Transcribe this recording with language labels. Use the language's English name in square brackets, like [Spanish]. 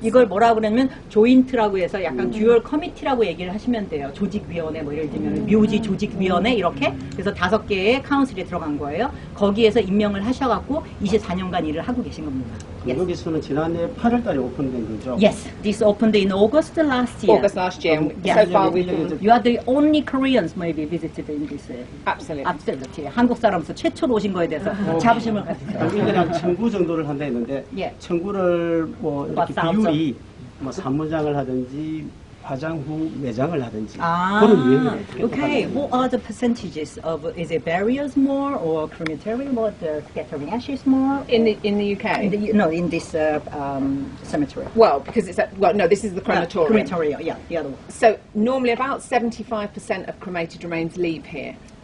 [Korean] 이걸 뭐라고 그러냐면 조인트라고 해서 약간 듀얼 커미티라고 얘기를 하시면 돼요. 조직위원회 뭐 예를 들면 묘지 조직위원회 이렇게 그래서 다섯 개의 카운슬에 들어간 거예요. 거기에서 임명을 하셔갖고 24년간 일을 하고 계신 겁니다. [English] Yes. [Korean] 여기서는 지난해 8월 달에 오픈된 거죠? [English] Yes, this opened in August last year. August last year. Yes. So far we've been... You are the only Koreans maybe visited in this... Absolutely. Absolutely. [Korean] 한국 사람으로서 최초로 오신 거에 대해서 자부심을 가지세요. 여기는 청구 정도를 한다 했는데 [English] yeah. [Korean] 청구를 뭐 이렇게 비율이 뭐 사무장을 하든지 화장 후 매장을 하든지 그런 유형을 해요. [English] Okay. What are the percentages of is it burials more or crematory more? The scattering ashes more in the UK? In this cemetery. Well, because it's this is the crematorium. Crematorium. Yeah, the other one. So normally about 75% of cremated remains leave here.